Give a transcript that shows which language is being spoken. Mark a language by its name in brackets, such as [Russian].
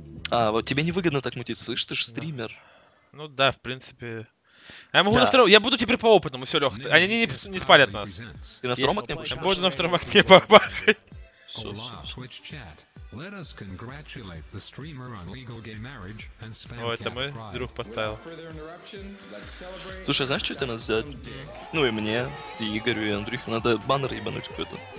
[Russian] А, вот тебе невыгодно так мутить, слышишь, ты же стример. Ну да, в принципе. А я могу да. На втором, я буду теперь по опытному, все, Лёха, они не спалят нас. Ты на втором окне будешь? Я буду на втором окне попахать. [English] Twitch chat. Let us congratulate the streamer on legal gay marriage and spam. [Russian] Ой, это мой друг поставил. Слушай, знаешь, что тебе надо сделать? Ну и мне, и Игорю, и Андрюхе надо баннер ебануть какой-то.